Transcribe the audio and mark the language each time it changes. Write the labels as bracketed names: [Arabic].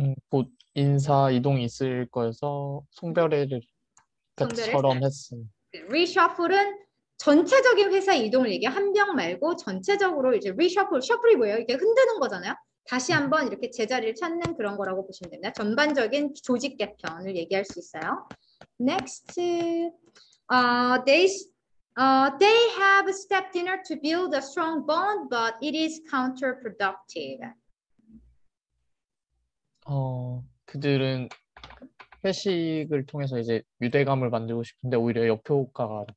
[Korean] 곧 인사 이동이 있을 거여서 송별회를 송별회처럼 했음. reshuffle은 전체적인 회사 이동을 얘기해. 한 명 말고 전체적으로 이제 reshuffle, shuffle이 뭐예요? 이렇게 흔드는 거잖아요. 다시 한번 이렇게 제자리를 찾는 그런 거라고 보시면 됩니다. 전반적인 조직 개편을 얘기할 수 있어요. [English] Next, they have a step dinner to build a strong bond, but it is counterproductive. [Korean] 그들은 회식을 통해서 이제 유대감을 만들고 싶은데 오히려 역효과가.